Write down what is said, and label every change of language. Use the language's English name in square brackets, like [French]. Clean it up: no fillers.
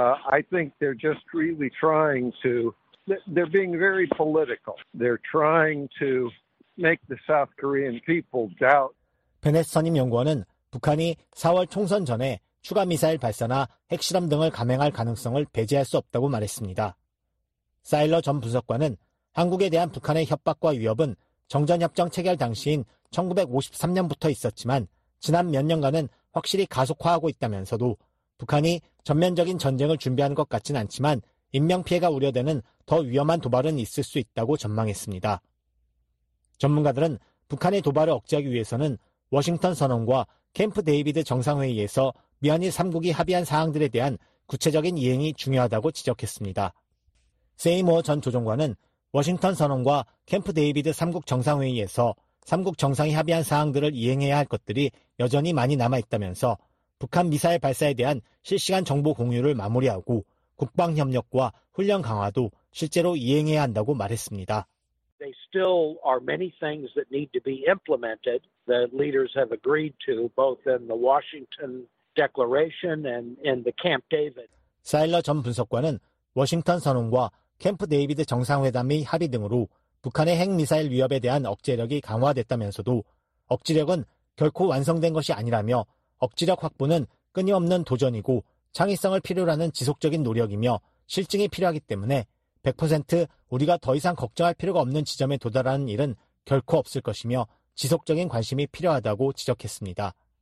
[English] I think they're just really trying to they're being very political. They're trying to make the South Korean people doubt. [Korean] 베넷 선임 연구원은 북한이 4월 총선 전에 추가 미사일 발사나 핵실험 등을 감행할 가능성을 배제할 수 없다고 말했습니다. 사일러 전 분석관은 한국에 대한 북한의 협박과 위협은 정전협정 체결 당시인 1953년부터 있었지만 지난 몇 년간은 확실히 가속화하고 있다면서도 북한이 전면적인 전쟁을 준비하는 것 같진 않지만 인명피해가 우려되는 더 위험한 도발은 있을 수 있다고 전망했습니다. 전문가들은 북한의 도발을 억제하기 위해서는 워싱턴 선언과 캠프 데이비드 정상회의에서 미한일 3국이 합의한 사항들에 대한 구체적인 이행이 중요하다고 지적했습니다. 세이모어 전 조정관은 워싱턴 선언과 캠프 데이비드 3국 정상회의에서 3국 정상이 합의한 사항들을 이행해야 할 것들이 여전히 많이 남아있다면서 북한 미사일 발사에 대한 실시간 정보 공유를 마무리하고 국방협력과 훈련 강화도 실제로 이행해야 한다고 말했습니다. [English] There still are many things that need to be implemented that leaders have agreed to both in the Washington Declaration and in the Camp David. [Korean] 사일러 전 분석관은 워싱턴 선언과 캠프 데이비드 정상회담의 합의 등으로 북한의 핵미사일 위협에 대한 억제력이 강화됐다면서도 억지력은 결코 완성된 것이 아니라며 억지력 확보는 끊임없는 도전이고 창의성을 필요로 하는 지속적인 노력이며 실증이 필요하기 때문에 100% 우리가 더 이상 걱정할 필요가 없는 지점에 도달하는 일은 결코 없을 것이며 지속적인 관심이 필요하다고 지적했습니다.